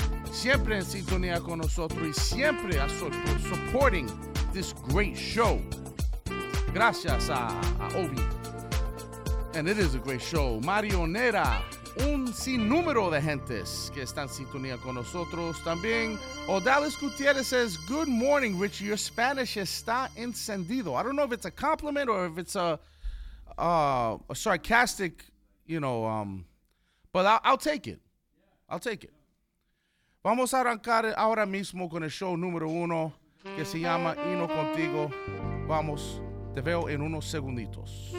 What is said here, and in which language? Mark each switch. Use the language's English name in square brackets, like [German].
[Spanish] Siempre en sintonía con nosotros y siempre supporting this great show. [English] Gracias a Ovi. And it is a great show. [Spanish] Marionera, un sinnúmero de gentes que están sintonía con nosotros. [English] También Odalis Gutierrez says, good morning, Richie. Your Spanish está encendido. I don't know if it's a compliment or if it's a sarcastic, you know, but I'll take it. I'll take it. [Spanish] Vamos a arrancar ahora mismo con el show número uno que se llama Ino Contigo. Vamos, te veo en unos segunditos.